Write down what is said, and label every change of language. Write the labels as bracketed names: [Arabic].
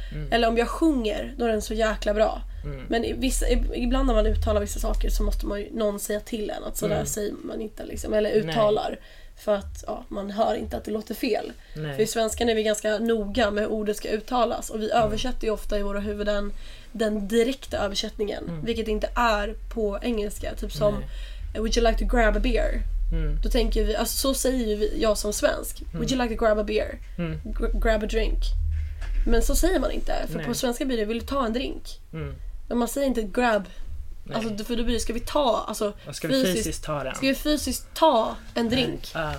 [Swedish] Eller om jag sjunger, då är den så jäkla bra. Men ibland när man uttalar vissa saker så måste man ju någon säga till en att sådär säger man inte liksom, eller uttalar. Nej. För att man hör inte att det låter fel. Nej. För i svenskan är vi ganska noga med hur ordet ska uttalas. Och vi översätter ju ofta i våra huvuden den direkta översättningen. Vilket inte är på engelska. Typ som, [English] would you like to grab a beer? [Swedish] Då tänker vi, alltså så säger ju jag som svensk. [English] Would you like to grab a beer? Grab a drink. [Swedish] Men så säger man inte, för nej. På svenska blir det, vill du ta en drink? Men man säger inte grab. Alltså, för då blir det, ska vi ta, alltså, ska vi fysiskt ta den? Ska vi fysiskt ta en drink?